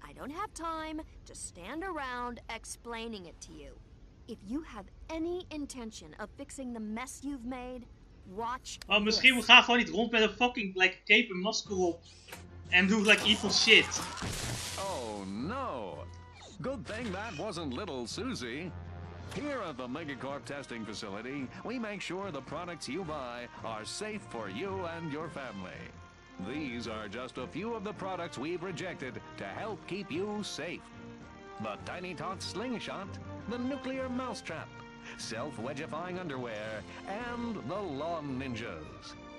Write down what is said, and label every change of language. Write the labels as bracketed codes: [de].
[en] I don't have time to stand around explaining it to you. If you have any intention of fixing the mess you've made, watch. [nl] Well, misschien we gaan gewoon niet rond met een fucking like cape en masker op [en] and do like evil shit. Oh no. Good thing that wasn't little Susie. Here at the Megacorp testing facility, we make sure the products you buy are safe for you and your family. These are just a few of the products we've rejected to help keep you safe. The Tiny Tot Slingshot, the Nuclear Mousetrap, Self-Wedgifying Underwear, and the Lawn Ninjas.